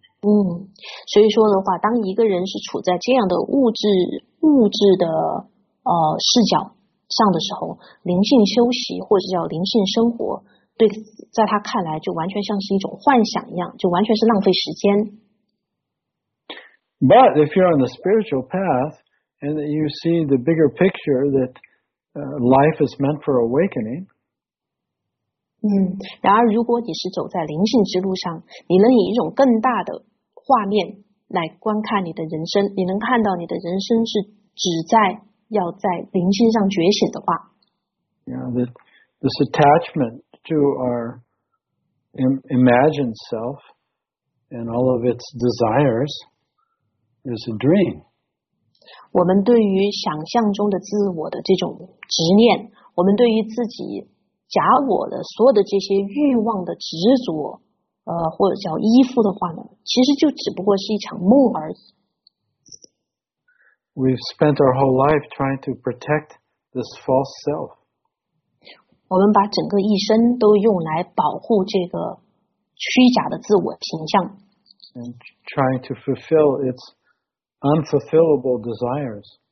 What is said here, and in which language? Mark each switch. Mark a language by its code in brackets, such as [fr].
[zh] 所以说的话，当一个人是处在这样的物质的视角上的时候，灵性休息或者叫灵性生活，对，在他看来就完全像是一种幻想一样，就完全是浪费时间。 [en] But if you're on the spiritual path and you see the bigger picture that life is meant for awakening. [zh] 然而如果你是走在灵性之路上，你能以一种更大的画面来观看你的人生，你能看到你的人生是只在要在灵性上觉醒的话。 [en] Yeah, this attachment to our imagined self and all of its desires is a dream. [zh] 我们对于想象中的自我的这种执念，我们对于自己假我的所有的这些欲望的执着或者叫依附的话呢，其实就只不过是一场梦而已。 [en] We've spent our whole life trying to protect this false self. [zh] 我们把整个一生都用来保护这个虚假的自我形象。 [en] And trying to fulfill its unfulfillable desires.